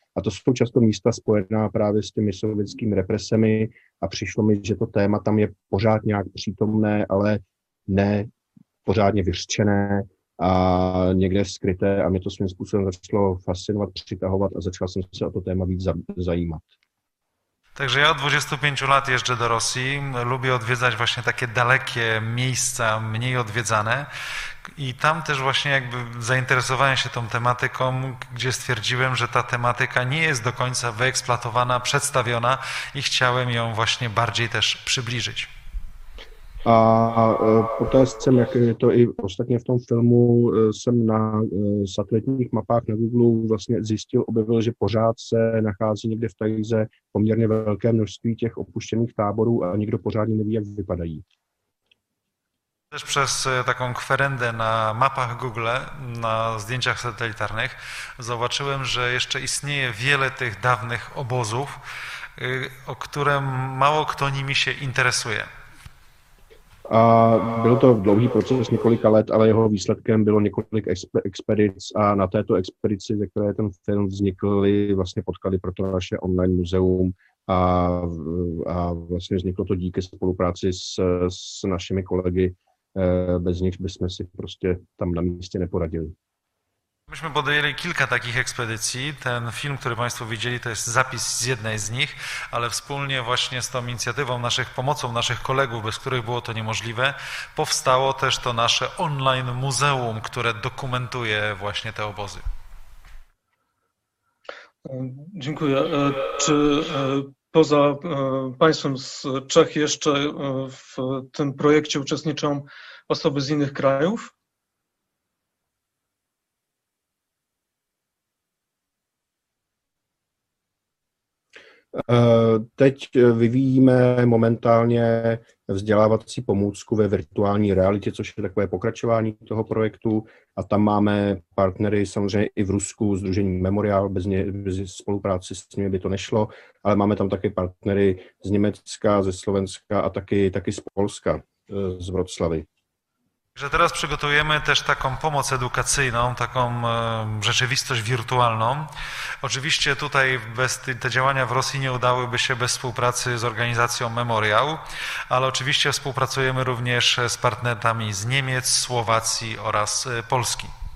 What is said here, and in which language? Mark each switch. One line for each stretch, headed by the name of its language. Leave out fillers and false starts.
Czech: A to jsou často místa spojená právě s těmi sovětskými represemi a přišlo mi, že to téma tam je pořád nějak přítomné, ale ne pořádně vyřčené a někde skryté a mě to svým způsobem začalo fascinovat, přitahovat a začal jsem se o to téma víc zajímat. Takže já od 25 let
Polish: jeżdżę do Rosji, lubię odwiedzać właśnie takie dalekie miejsca, mniej odwiedzane i tam też właśnie jakby zainteresowałem się tą tematyką, gdzie stwierdziłem, że ta tematyka nie jest do końca wyeksploatowana, przedstawiona i chciałem ją właśnie bardziej też przybliżyć.
Czech: A poté jsem, jak je to i ostatně v tom filmu, jsem na satelitních mapách na Google vlastně zjistil, objevil, že pořád se nachází někde v Tajze poměrně velké množství těch opuštěných táborů a nikdo pořádně neví, jak vypadají.
Polish: Też przez taką kwerendę na mapach Google, na zdjęciach satelitarnych, zobaczyłem, że jeszcze istnieje wiele tych dawnych obozów, o które mało kto nimi się interesuje.
Czech: A byl to dlouhý proces několika let, ale jeho výsledkem bylo několik expedic a na této expedici, ze které ten film vznikly, vlastně potkali pro to naše online muzeum a vlastně vzniklo to díky spolupráci s našimi kolegy, bez nich bychom si prostě tam na místě neporadili.
Polish: Myśmy podjęli kilka takich ekspedycji. Ten film, który Państwo widzieli, to jest zapis z jednej z nich, ale wspólnie właśnie z tą inicjatywą, pomocą naszych kolegów, bez których było to niemożliwe, powstało też to nasze online muzeum, które dokumentuje właśnie te obozy. Dziękuję. Czy poza Państwem z Czech jeszcze w tym projekcie uczestniczą osoby z innych krajów?
Czech: Teď vyvíjíme momentálně vzdělávací pomůcku ve virtuální realitě, což je takové pokračování toho projektu. A tam máme partnery samozřejmě i v Rusku, Sdružení Memorial, bez spolupráce s nimi by to nešlo, ale máme tam taky partnery z Německa, ze Slovenska a taky z Polska, z Wroclawy.
Polish: Że teraz przygotujemy też taką pomoc edukacyjną, taką rzeczywistość wirtualną. Oczywiście tutaj bez te działania w Rosji nie udałyby się bez współpracy z organizacją Memoriał, ale oczywiście współpracujemy również z partnerami z Niemiec, Słowacji oraz Polski.